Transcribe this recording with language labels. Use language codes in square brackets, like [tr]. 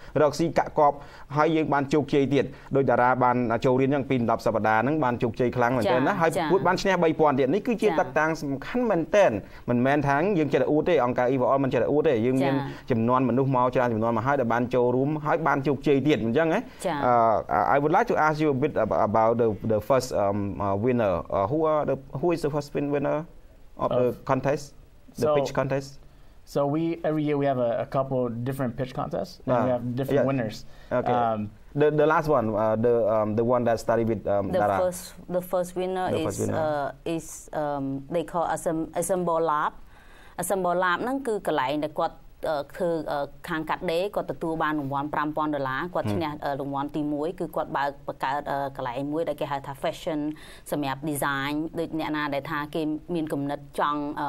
[km] រកស៊ីកាក់កប់ហើយយើងបានជោគជ័យទៀតដោយតារាបានចូលរៀនយ៉ាងពី10សប្តាហ៍ហ្នឹងបានជោគជ័យខ្លាំងមែនទែនណាហើយពួតបានឈ្នះ 3,000 ទៀតនេះគឺជាតាក់តាំងសំខាន់មែនទែនមិនមែនថាយើងចេះតែអួតទេអង្គការ EforAll មិនចេះតែអួតទេយើងមានចំនួនមនុស្សមកច្រើនចំនួនមកហើយដែលបានចូលរួមហើយបានជោគជ័យទៀតអញ្ចឹងណា [en] I would like to ask you a bit about the first winner who is the first winner of the contest the pitch contest so we every year we have a couple different pitch contests and we have different winners the last one the one that started with Dara. the first winner is they call assemble lab [km] assemble lab ហ្នឹងគឺកន្លែងដែលគាត់ធ្វើខាងកាត់ដេរគាត់ទទួលបានរង្វាន់ $5,000 ដុល្លារគាត់ឈ្នះរង្វាន់ទី1គឺគាត់បើកបង្កើតកន្លែងមួយដែលគេហៅថា fashion សម្រាប់ design ដូចអ្នកណាដែលថាគេមានគំនិតចង់